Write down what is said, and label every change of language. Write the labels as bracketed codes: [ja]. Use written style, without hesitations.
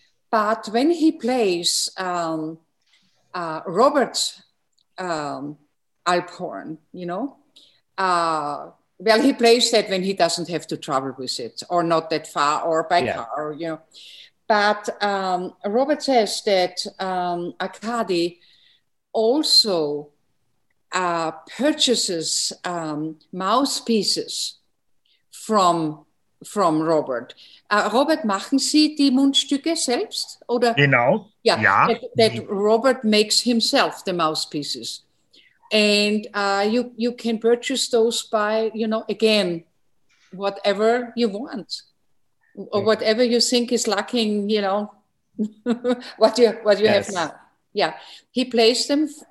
[en] But when he plays Robert's alphorn, you know, well, he plays that when he doesn't have to travel with it or not that far or by car, or, you know. But Robert says that Arkady also purchases mouthpieces from Robert. [de] Robert, machen Sie die Mundstücke selbst? Oder? Genau. Yeah, ja. [en] That Robert makes himself the mouthpieces. And you can purchase those by, you know, again, whatever you want or whatever you think is lacking, you know, what you yes. have now. Yeah. He plays them.